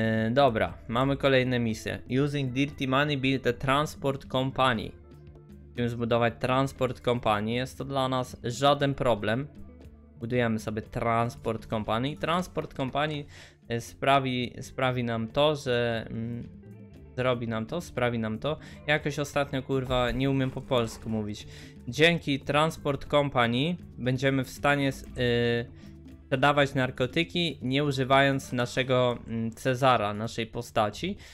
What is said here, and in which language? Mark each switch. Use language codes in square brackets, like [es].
[pl] Dobra, mamy kolejne misje. [en] Using dirty money build a transport company. [pl] Musimy zbudować transport company, jest to dla nas żaden problem. budujemy sobie Transport Company. Transport Company sprawi nam to, że zrobi nam to, sprawi nam to. Jakoś ostatnio, kurwa, nie umiem po polsku mówić. Dzięki Transport Company będziemy w stanie sprzedawać narkotyki, nie używając naszego Cezara, naszej postaci.